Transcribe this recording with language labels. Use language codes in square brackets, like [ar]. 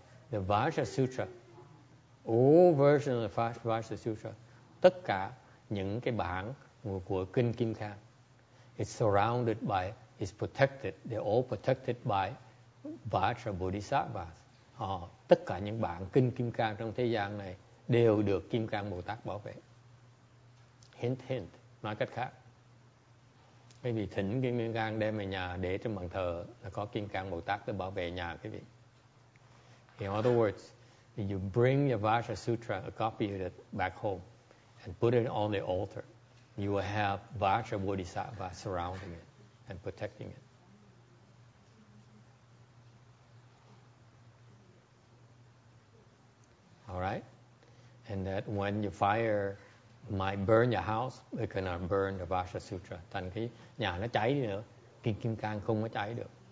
[en] The Vajra Sutra, all version of the Vajra Sutra, [vi] tất cả những cái bản của kinh Kim Cang, [en] they're all protected by Vajra Bodhisattvas. [vi] Tất cả những bản kinh Kim Cang trong thế gian này đều được Kim Cang Bồ Tát bảo vệ. Hint hint, nói cách khác, quý vị thỉnh Kim Cang đem về nhà để trên bàn thờ là có Kim Cang Bồ Tát để bảo vệ nhà quý vị. [en] In other words, you bring your Vajra Sutra, a copy of it, back home and put it on the altar. You will have Vajra Bodhisattva surrounding it and protecting it. All right? And that when your fire might burn your house, it cannot burn the Vajra Sutra. [vi] Thành khi nhà nó cháy đi nữa, kinh Kim Cang không có cháy được.